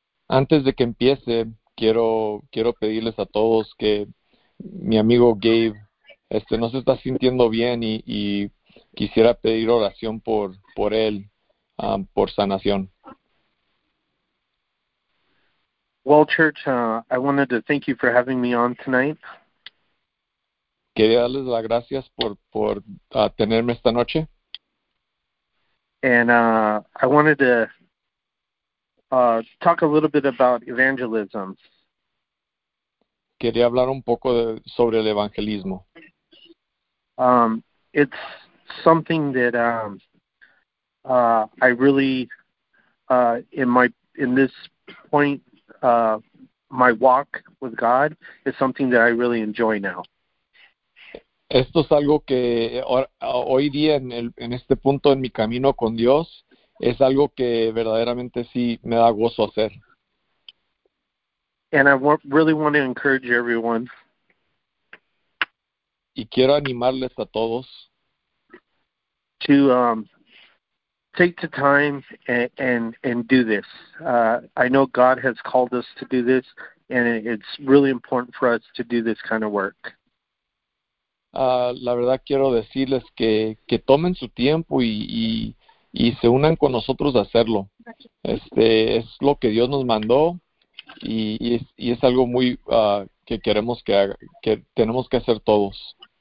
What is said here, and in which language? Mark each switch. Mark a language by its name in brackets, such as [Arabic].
[Spanish] Antes de que empiece, quiero pedirles a todos que mi amigo Gabe no se está sintiendo bien y quisiera pedir oración por él, por sanación. [English] Well, church, I wanted to thank you for having me on tonight. [Spanish] Quería darles las gracias por tenerme esta noche. [English] And I wanted to talk a little bit about evangelism. [Spanish] Quería hablar un poco sobre el evangelismo. [English] It's something that I really, in this point, my walk with God is something that I really enjoy now. [Spanish] Esto es algo que hoy día en este punto en mi camino con Dios es algo que verdaderamente sí me da gozo hacer. [English] And I really want to encourage everyone. [Spanish] Y quiero animarles a todos [English] to take the time and do this. I know God has called us to do this, and it's really important for us to do this kind of work. [Spanish] La verdad quiero decirles que tomen su tiempo y se unan con nosotros a hacerlo. Es lo que Dios nos mandó y es algo muy que queremos que tenemos que hacer todos.